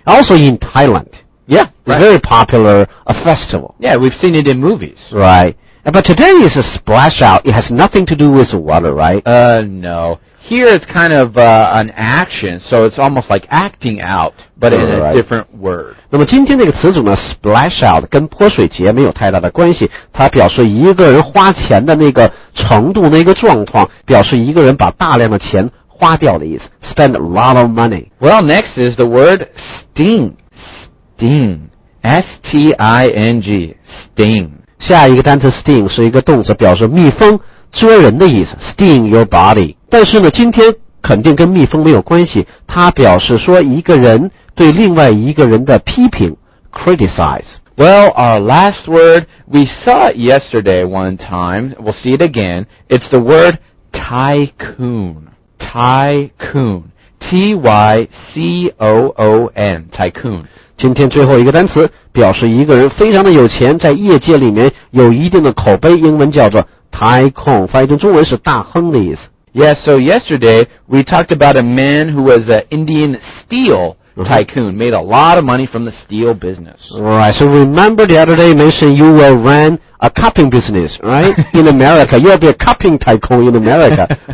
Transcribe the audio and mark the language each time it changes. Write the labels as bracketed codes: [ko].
[en] Also in Thailand. Yeah, right. Very popular, a festival. Yeah, we've seen it in movies. Right. But today is a splash out. It has nothing to do with water, right? No. Here it's kind of an action, so it's almost like acting out, but in right. a different word. [zh] 那么今天这个词组呢 splash out 跟泼水节没有太大的关系，它表示一个人花钱的那个程度，那个状况，表示一个人把大量的钱花掉的意思。 [en] Spend a lot of money. Well, next is the word sting. Sting. S-T-I-N-G. Sting. [zh] 下一个单词 sting 是一个动词，表示蜜蜂蛰人的意思， [en] sting your body. [zh] 但是呢今天肯定跟蜜蜂没有关系，它表示说一个人对另外一个人的批评， criticize. [en] Well, our last word, we saw it yesterday one time, we'll see it again. It's the word tycoon. Tycoon. T-Y-C-O-O-N. Tycoon. [zh] 今天最后一个单词表示一个人非常的有钱，在业界里面有一定的口碑，英文叫做 tycoon, 翻译成中文是大亨的意思。 [en] Yes, so yesterday we talked about a man who was an Indian steel, tycoon, made a lot of money from the steel business. Right. So remember the other day you mentioned you will run a cupping business, right, in America. You will be a cupping tycoon in America.